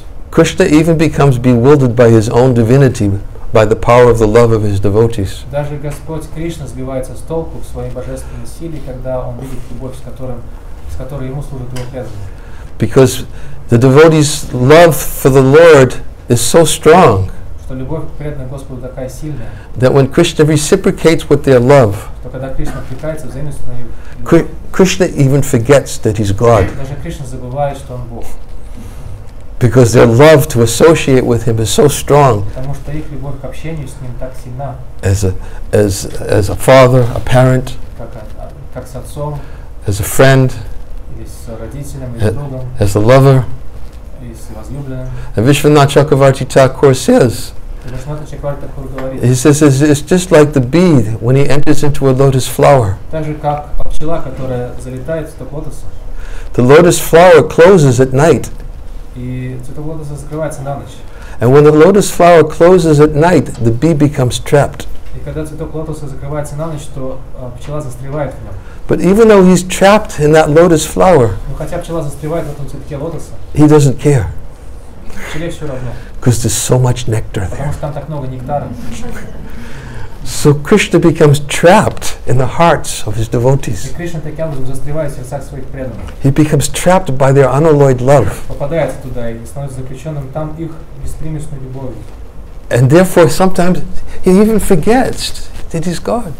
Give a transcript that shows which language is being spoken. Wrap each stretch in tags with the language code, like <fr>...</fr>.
<en>Krishna even becomes bewildered by his own divinity, by the power of the love of his devotees.</en> <ru>Даже Господь Кришна сбивается с толку в своей божественной силе, когда он видит любовь, с которой ему служит его преданный.</ru> <en>Because the devotee's love for the Lord is so strong.</en> <ru>Что любовь к преданному Господу такая сильная.</ru> <en>That when Krishna reciprocates with their love.</en> <ru>Что когда Кришна откликается взаимностью на его любовь.</ru> <en>Krishna even forgets that he's God.</en> <ru>Даже Кришна забывает, что он Бог.</ru> <en>Because their love to associate with him is so strong.</en> <ru>Потому что их любовь к общению с ним так сильна.</ru> <en>As a father, a parent.</en> <ru>Как с отцом.</ru> <en>As a friend.</en> <ru>Или с родителем, или с другом.</ru> <en>As a lover.</en> <ru>Или с возлюбленным.</ru> <en>And Vishwanath Chakravarti Thakur says.</en> <ru>Vishwanath Chakravarti Thakur говорит.</ru> <en>He says it's just like the bee when he enters into a lotus flower.</en> <ru>Так же как пчела, которая залетает в стог лотоса.</ru> <en>The lotus flower closes at night.</en> <ru>И цветок лотоса закрывается на ночь.</ru> <en>And when the lotus flower closes at night, the bee becomes trapped.</en> <ru>И когда цветок лотоса закрывается на ночь, то пчела застревает в нем.</ru> <en>But even though he's trapped in that lotus flower,</en> <ru>но хотя пчела застревает в этом цветке лотоса,</ru> <en>he doesn't care.</en> <ru>Пчеле все равно.</ru> <en>Because there's so much nectar there.</en> <ru>Потому что там так много нектара.</ru> <en>So Krishna becomes trapped in the hearts of his devotees.</en> <ru>И Кришна таким образом застревает в сердцах своих преданных.</ru> <en>He becomes trapped by their unalloyed love.</en> <ru>Попадает туда и становится заключенным там их беспримесной любовью.</ru> <en>And therefore, sometimes he even forgets that he's God.</en>